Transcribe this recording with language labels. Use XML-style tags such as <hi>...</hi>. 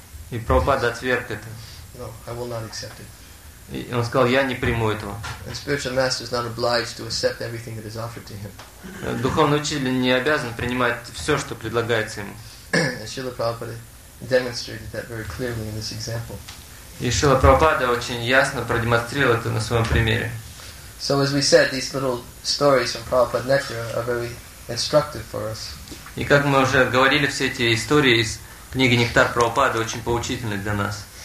<ru>И Прабхупада отверг это.</ru> <en>No, I will not accept it.</en> <ru>И он сказал, я не приму этого.</ru> <en>And spiritual master is not obliged to accept everything that is offered to him.</en> <ru>Духовный учитель не обязан принимать все, что предлагается ему.</ru> <en>Шрила Прабхупада demonstrated that very clearly in this example.</en> <ru>И Шрила Прабхупада очень ясно продемонстрировал это на своем примере.</ru> <en>So as we said, these little stories from Prabhupada Nectar are very instructive for us.</en> <ru>И как мы уже говорили, все эти истории из книги Нектар Прабхупады очень поучительны для нас.</ru>